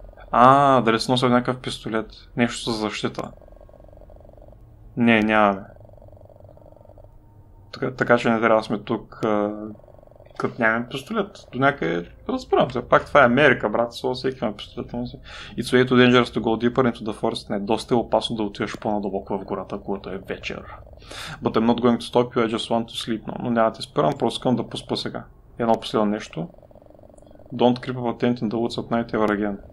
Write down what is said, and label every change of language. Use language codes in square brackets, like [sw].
[bg] А, дали си нося някакъв пистолет? Нещо за защита? Не, нямаме. Така че не трябва да сме тук, като нямаме пистолет. До някъде разбирам се. Пак това е Америка, брат. Сега всеки има пистолет. [en] It's way too dangerous to go deeper into the forest. [bg] Не, доста е опасно да отиваш по-надълбоко в гората, когато е вечер. [en] But I'm not going to stop you, I just want to sleep. [bg] No, но няма да те спирам, просто искам да поспа сега. Едно последно нещо. [en] Don't creep up a tent in the woods at night ever again.